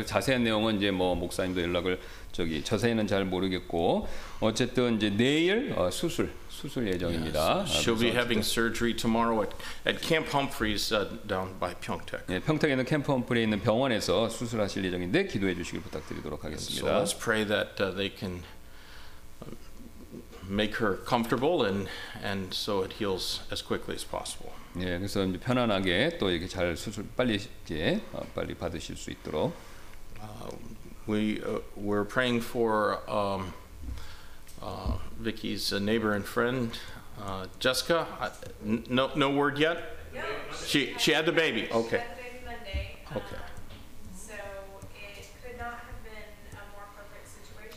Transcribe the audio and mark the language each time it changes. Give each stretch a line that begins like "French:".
Korean: 그래서 자세한 내용은 이제 뭐 목사님도 연락을 저기 자세히는 잘 모르겠고 어쨌든 이제 내일 수술 예정입니다.
English: Yes. She'll be having surgery tomorrow at Camp Humphreys down by Pyeongtaek.
Korean: 네, 평택에 있는 캠프 험프리에 있는 병원에서 수술하실 예정인데 기도해 주시길 부탁드리도록 하겠습니다.
English: So let's pray that they can make her comfortable and so it heals as quickly as possible.
Korean: 네, 그래서 이제 편안하게 또 이렇게 잘 수술 빨리 이제 빨리 받으실 수 있도록.
English: We're praying for Vicky's neighbor and friend, Jessica. No word yet. No, she had the baby. Okay. She had the baby Monday. Okay. So it could not have been a more perfect situation.